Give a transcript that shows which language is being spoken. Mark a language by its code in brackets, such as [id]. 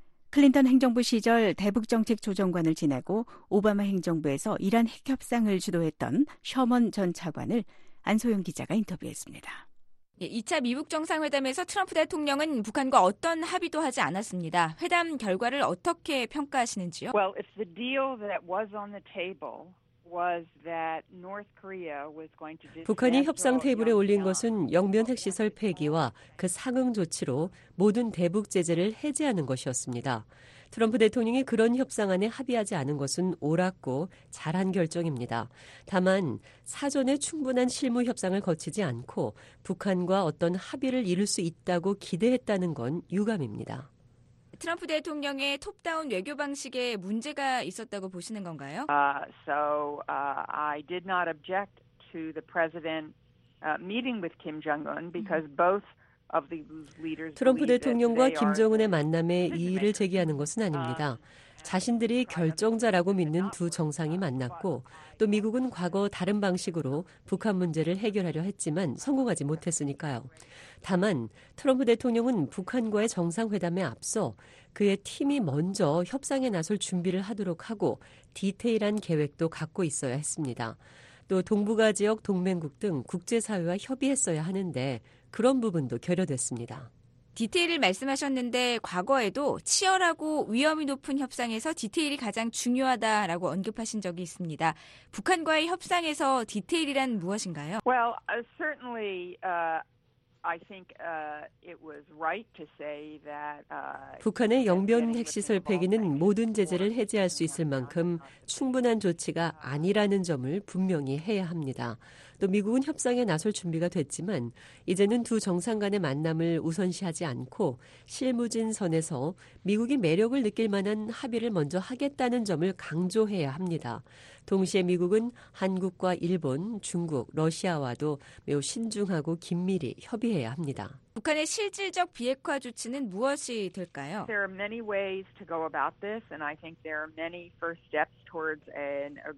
[ko] 클린턴 행정부 시절 대북정책조정관을 지내고 오바마 행정부에서 이란 핵협상을 주도했던 셔먼 전 차관을 안소영 기자가 인터뷰했습니다. 2차 미북 정상회담에서 트럼프 대통령은 북한과 어떤 합의도 하지 않았습니다. 회담 결과를 어떻게 평가하시는지요? [en] Well, if the deal that was on the table was that North Korea was going to [ko] 북한이 협상 테이블에 올린 것은 영면 핵시설 폐기와 그 상응 조치로 모든 대북 제재를 해제하는 것이었습니다. 트럼프 대통령이 그런 협상안에 합의하지 않은 것은 옳았고 잘한 결정입니다. 다만 사전에 충분한 실무 협상을 거치지 않고 북한과 어떤 합의를 이룰 수 있다고 기대했다는 건 유감입니다. 트럼프 대통령의 톱다운 외교 방식에 문제가 있었다고 보시는 건가요? [en] I did not object to the president meeting with Kim Jong-un because both [ko] 트럼프 대통령과 김정은의 만남에 이의를 제기하는 것은 아닙니다. 자신들이 결정자라고 믿는 두 정상이 만났고 또 미국은 과거 다른 방식으로 북한 문제를 해결하려 했지만 성공하지 못했으니까요. 다만 트럼프 대통령은 북한과의 정상회담에 앞서 그의 팀이 먼저 협상에 나설 준비를 하도록 하고 디테일한 계획도 갖고 있어야 했습니다. 또 동북아 지역 동맹국 등 국제사회와 협의했어야 하는데 그런 부분도 결여됐습니다. 디테일을 말씀하셨는데 과거에도 치열하고 위험이 높은 협상에서 디테일이 가장 중요하다라고 언급하신 적이 있습니다. 북한과의 협상에서 디테일이란 무엇인가요? [en] Well, certainly I think it was right to say that [ko] 북한의 영변 핵시설 폐기는 모든 제재를 해제할 수 있을 만큼 충분한 조치가 아니라는 점을 분명히 해야 합니다. 또 미국은 협상에 나설 준비가 됐지만 이제는 두 정상 간의 만남을 우선시하지 않고 실무진 선에서 미국이 매력을 느낄 만한 합의를 먼저 하겠다는 점을 강조해야 합니다. 동시에 미국은 한국과 일본, 중국, 러시아와도 매우 신중하고 긴밀히 협의해야 합니다. 북한의 실질적 비핵화 조치는 무엇이 될까요? [en] There are many ways to go about this and I think there are many first steps towards an